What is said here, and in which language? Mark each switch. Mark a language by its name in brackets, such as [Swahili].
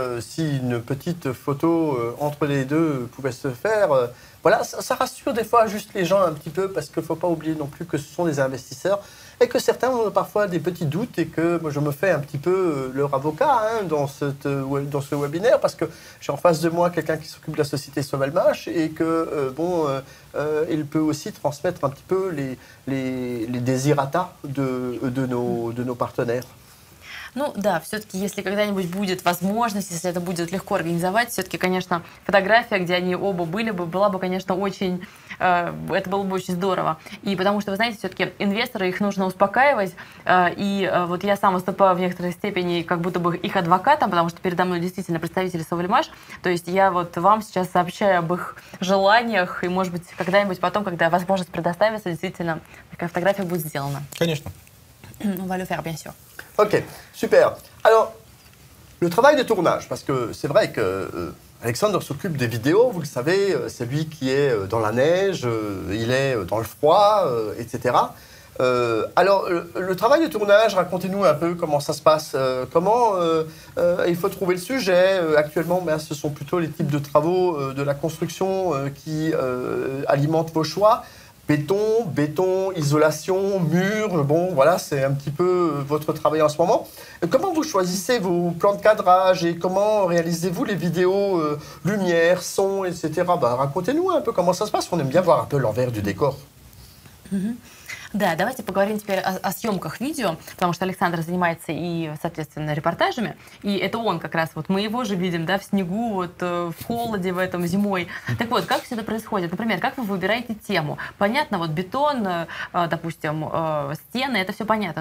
[French] Si une petite photo entre les deux pouvait se faire, ça rassure des fois juste les gens un petit peu, parce qu'il ne faut pas oublier non plus que ce sont des investisseurs et que certains ont parfois des petits doutes et que moi, je me fais un petit peu leur avocat dans ce webinaire, parce que j'ai en face de moi quelqu'un qui s'occupe de la société Sauvelmash et que, il peut aussi transmettre un petit peu les desiderata de nos partenaires. [Russian] Ну да, все-таки, если когда-нибудь будет возможность, если это будет легко организовать, все-таки, конечно, фотография, где они оба были бы, была бы, конечно, очень... это было бы очень здорово. И потому что, вы знаете, все-таки инвесторы, их нужно успокаивать. И я сам выступаю в некоторой степени как будто бы их адвокатом, потому что передо мной действительно представители Sauvelmash. То есть я вот вам сейчас сообщаю об их желаниях, и, может быть, когда-нибудь потом, когда возможность предоставится, действительно, такая фотография будет сделана. Конечно. [French] On va le faire, bien sûr. Ok, super. Alors, le travail de tournage, parce que c'est vrai que Alexandre s'occupe des vidéos, vous le savez, c'est lui qui est dans la neige, il est dans le froid, etc. Alors, le travail de tournage, racontez-nous un peu comment ça se passe, il faut trouver le sujet. Actuellement, ce sont plutôt les types de travaux de la construction qui alimentent vos choix. Béton, isolation, mur, c'est un petit peu votre travail en ce moment. Comment vous choisissez vos plans de cadrage et comment réalisez-vous les vidéos lumière, son, etc. Racontez-nous un peu comment ça se passe, on aime bien voir un peu l'envers du décor. Да, давайте поговорим теперь о съемках видео, потому что Александр занимается и, соответственно, репортажами. И это он как раз, вот мы его же видим, да, в снегу, вот в холоде в этом зимой. Так вот, как все это происходит? Например, как вы выбираете тему? Понятно, вот бетон, допустим, стены, это все понятно.